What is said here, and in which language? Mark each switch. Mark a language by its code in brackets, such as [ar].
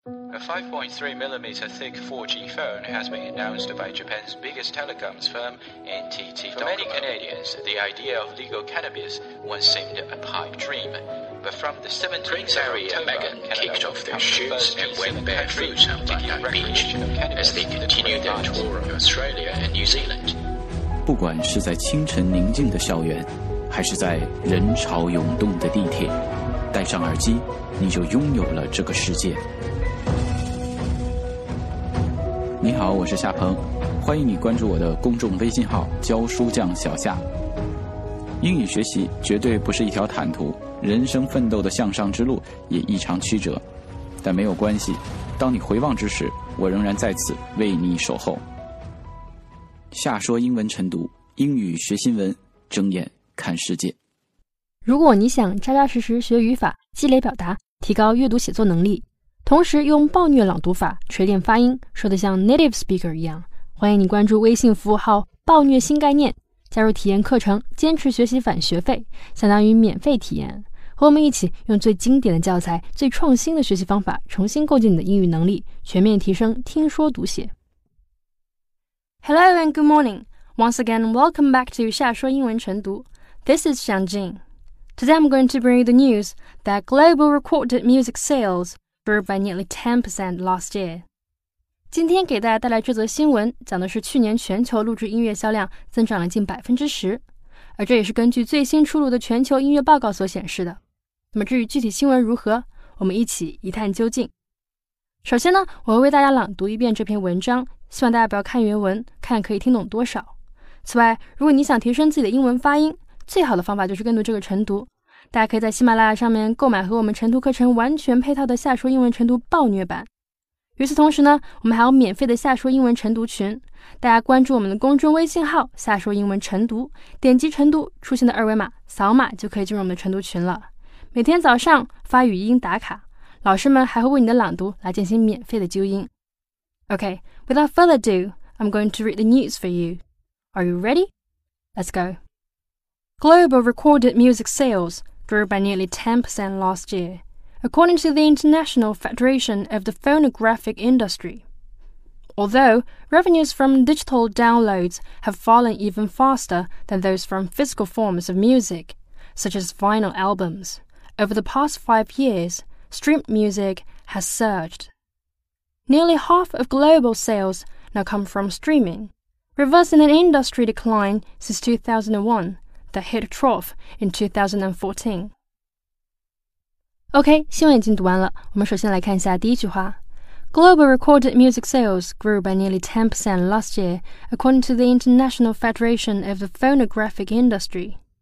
[en] A 5.3mm thick 4G phone has been announced by Japan's biggest telecoms firm, NTT Docomo. For many Canadians, the idea of legal cannabis once seemed a pipe dream. But from the 17th of October, Megan kicked off their shoots and went barefoot on Bondi Beach as they continued their tour of Australia and New Zealand. [zh] 不管是在清晨宁静的校园，还是在人潮涌动的地铁，戴上耳机，你就拥有了这个世界。你好，我是夏鹏，欢迎你关注我的公众微信号教书匠小夏。英语学习绝对不是一条坦途，人生奋斗的向上之路也异常曲折，但没有关系，当你回望之时，我仍然在此为你守候。夏说英文晨读，英语学新闻，睁眼看世界。如果你想扎扎实实学语法，积累表达，提高阅读写作能力，同时用暴虐朗读法锤炼发音，说得像 [en] native speaker [zh] 一样，欢迎你关注微信服务号暴虐新概念，加入体验课程，坚持学习返学费，相当于免费体验，和我们一起用最经典的教材，最创新的学习方法，重新构建你的英语能力，全面提升听说读写。 [en] Hello and good morning. Once again, welcome back to 夏说英文晨读。 This is Xiang Jing. Today I'm going to bring you the news that global recorded music salesby nearly 10% last year. [zh] 今天给大家带来这则新闻，讲的是去年全球录制音乐销量增长了近 10%， 而这也是根据最新出炉的全球音乐报告所显示的。那么至于具体新闻如何，我们一起一探究竟。首先呢，我会为大家朗读一遍这篇文章，希望大家不要看原文，看可以听懂多少。此外，如果你想提升自己的英文发音，最好的方法就是跟读这个晨读。大家可以在喜马拉雅上面购买和我们晨读课程完全配套的夏说英文晨读暴虐版。与此同时呢，我们还有免费的夏说英文晨读群，大家关注我们的公众微信号夏说英文晨读，点击晨读出现的二维码，扫码就可以进入我们的晨读群了。每天早上发语音打卡，老师们还会为你的朗读来进行免费的纠音。 [en] OK, without further ado, I'm going to read the news for you. Are you ready? Let's go. Global recorded music sales grew by nearly 10% last year, according to the International Federation of the Phonographic Industry. Although revenues from digital downloads have fallen even faster than those from physical forms of music, such as vinyl albums, over the past 5 years, streamed music has surged. Nearly half of global sales now come from streaming, reversing an industry decline since 2001,that hit a trough in 2014. [zh] OK, 新闻已经读完了，我们首先来看一下第一句话。 [en] Global recorded music sales grew by nearly 10% last year, according to the International Federation of the Phonographic Industry.